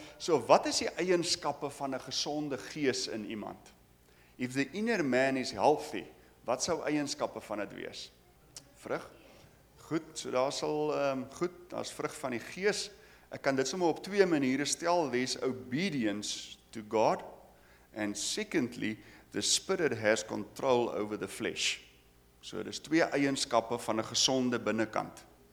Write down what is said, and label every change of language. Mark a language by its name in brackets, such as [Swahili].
[Afrikaans] So, wat is die eienskappe van 'n gesonde gees in iemand? [English] If the inner man is healthy, [Afrikaans] wat sou eienskappe van dit wees? Vrug. Goed, so daar sal, goed, daar is vrug van die gees. Ek kan dit sommer op twee maniere stel. [English] There's obedience to God. And secondly, the spirit has control over the flesh. [Afrikaans] So, dit is twee eienskappe van 'n gesonde binnenkant.